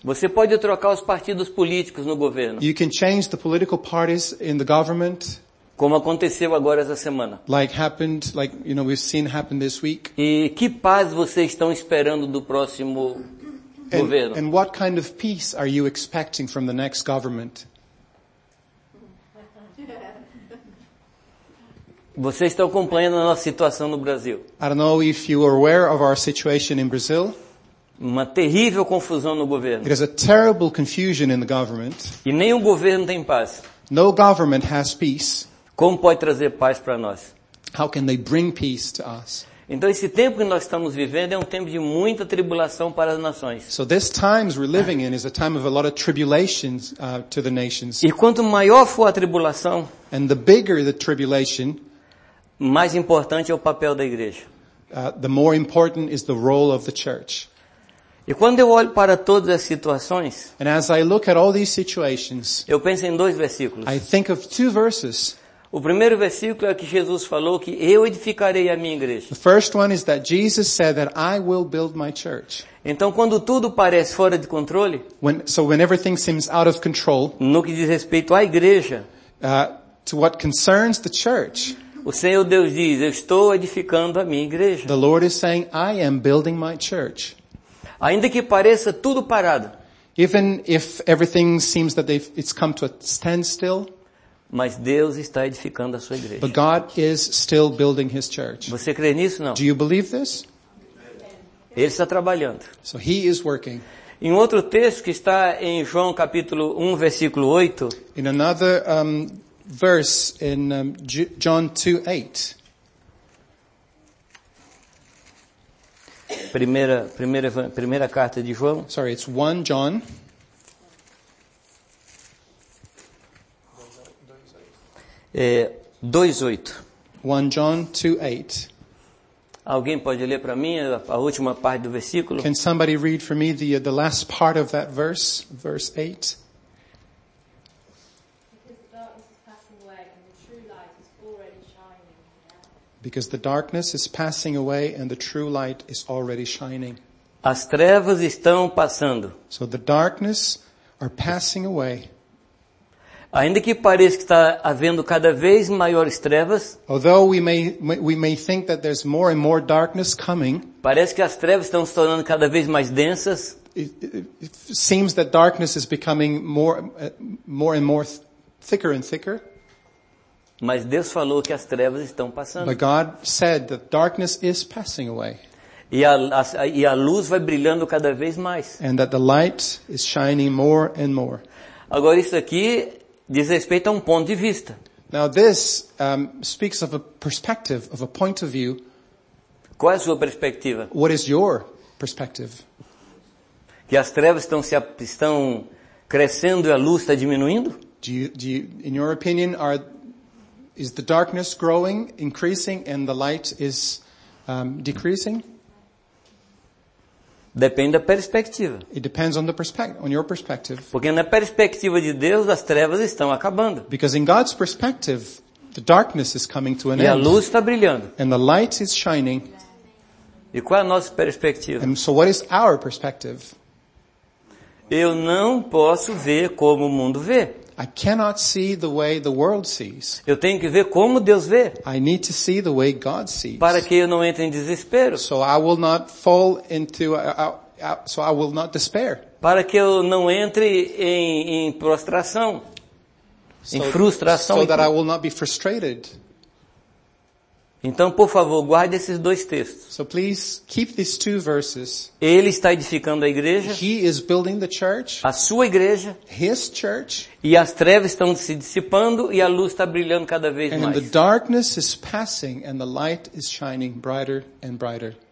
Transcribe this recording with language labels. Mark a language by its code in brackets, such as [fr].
[pt] Você pode trocar os partidos políticos no governo. [en] You can change the political parties in the government. [pt] Como aconteceu agora essa semana. [en] Like we've seen happen this week. [pt] E que paz vocês estão esperando do próximo governo? [en] And what kind of peace are you expecting from the next government? [pt] Vocês estão acompanhando a nossa situação no Brasil. [en] I don't know if you are aware of our situation in Brazil. [pt] Uma terrível confusão no governo. [en] There is a terrible confusion in the government. [pt] E nenhum governo tem paz. [en] No government has peace. [pt] Como pode trazer paz para nós? [en] How can they bring peace to us? [pt] Então esse tempo que nós estamos vivendo é um tempo de muita tribulação para as nações. [en] So this times we're living in is a time of a lot of tribulations to the nations. [pt] E quanto maior for a tribulação, [en] and the bigger the tribulation, [pt] mais importante é o papel da igreja. [en] The more important is the role of the church. [pt] E quando eu olho para todas as situações, [en] and as I look at all these situations, [pt] eu penso em dois versículos. [en] I think of two verses. [pt] O primeiro versículo é que Jesus falou que eu edificarei a minha igreja. [en] The first one is that Jesus said that I will build my church. [pt] Então quando tudo parece fora de controle, [en] when everything seems out of control, [pt] no que diz respeito à igreja, [en] to what concerns the church, [pt] o Senhor Deus diz, eu estou edificando a minha igreja. [en] The Lord is saying, I am building my church. [pt] Ainda que pareça tudo parado, [en] even if everything seems that it's come to a standstill, [pt] mas Deus está edificando a sua igreja. [en] But God is still building his church. [pt] Você crê nisso não? [en] Do you believe this? [pt] Ele está trabalhando. [en] So he is working. [pt] Em outro texto que está em João capítulo 1 versículo 8. [en] In another verse in John 2:8. [pt] Primeira carta de João. [en] Sorry, it's 1 John. [pt] É, 2:8. [en] 1 John 2:8. [pt] Alguém pode ler para mim a última parte do versículo? [en] Can somebody read for me the last part of that verse, verse 8? Because the darkness is passing away and the true light is already shining. [pt] As trevas estão passando. [en] So the darkness are passing away. [pt] Ainda que pareça que está havendo cada vez maiores trevas, [en] although we may think that there's more and more darkness coming, [pt] parece que as trevas estão se tornando cada vez mais densas. [en] It seems that darkness is becoming more and more thicker and thicker. [pt] Mas Deus falou que as trevas estão passando. [en] But God said that darkness is passing away. [pt] E a luz vai brilhando cada vez mais. [en] And that the light is shining more and more. [pt] Agora isso aqui diz respeito a um ponto de vista. [en] Now this speaks of a perspective, of a point of view. [pt] Qual é a sua perspectiva? [en] What is your perspective? [pt] Que as trevas estão crescendo e a luz está diminuindo? [en] In your opinion, is the darkness growing, increasing, and the light is decreasing? [pt] Depende da perspectiva. [en] It depends on the perspective, on your perspective. [pt] Porque na perspectiva de Deus, as trevas estão acabando. [en] Because in God's perspective, the darkness is coming to an end. [pt] E a luz está brilhando. [en] And the light is shining. [pt] E qual é a nossa perspectiva? [en] And so what is our perspective? [pt] Eu não posso ver como o mundo vê. [en] I cannot see the way the world sees. [pt] Eu tenho que ver como Deus vê. [en] I need to see the way God sees. [pt] Para que eu não entre em desespero. [en] So I will not fall into so I will not despair. [pt] Para que eu não entre em prostração, em frustração. [en] So that I will not be frustrated. [pt] Então, por favor, guarde esses dois textos. [en] So please keep these two verses. [pt] Ele está edificando a igreja. [en] He is building the church. [pt] A sua igreja. [en] His church. [pt] E as trevas estão se dissipando e a luz está brilhando cada vez mais. [en] And the darkness is passing and the light is shining brighter and brighter.